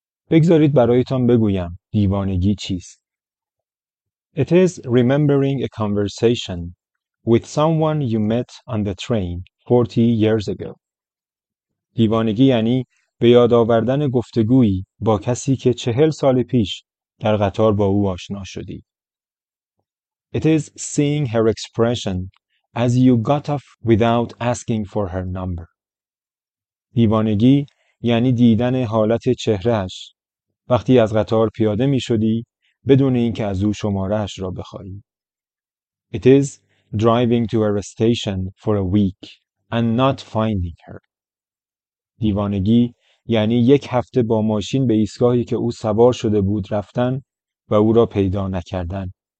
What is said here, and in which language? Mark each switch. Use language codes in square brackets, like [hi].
[fa] بگذارید برایتان بگویم دیوانگی چیست. [en] It is remembering a conversation with someone you met on the train 40 years ago. [fa] دیوانگی یعنی به یاد آوردن گفتگویی با کسی که 40 سال پیش در قطار با او آشنا شدی. [en] It is seeing her expression as you got off without asking for her number. [fa] دیوانگی یعنی دیدن حالت چهرهش وقتی از قطار پیاده می شدی بدون اینکه از او شمارهش را بخواهی. [en] It is driving to her station for a week and not finding her. [fa] دیوانگی یعنی یک هفته با ماشین به ایستگاهی که او سوار شده بود رفتن و او را پیدا نکردن.